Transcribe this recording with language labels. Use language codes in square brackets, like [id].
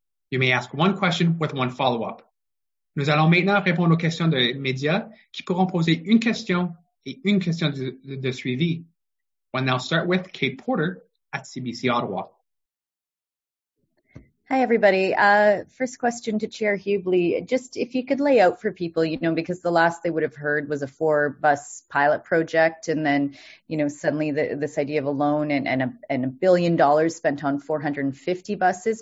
[en] You may ask one question with one follow-up. [fr] Nous allons maintenant répondre aux questions des médias qui pourront poser une question et une question de suivi. [en] We'll now start with Kate Porter at CBC Ottawa. Hi, everybody. First question to Chair Hubley. Just if you could lay out for people, you know, because the last they would have heard was a four bus pilot project. And then, you know, suddenly this idea of a loan and a $1 billion spent on 450 buses.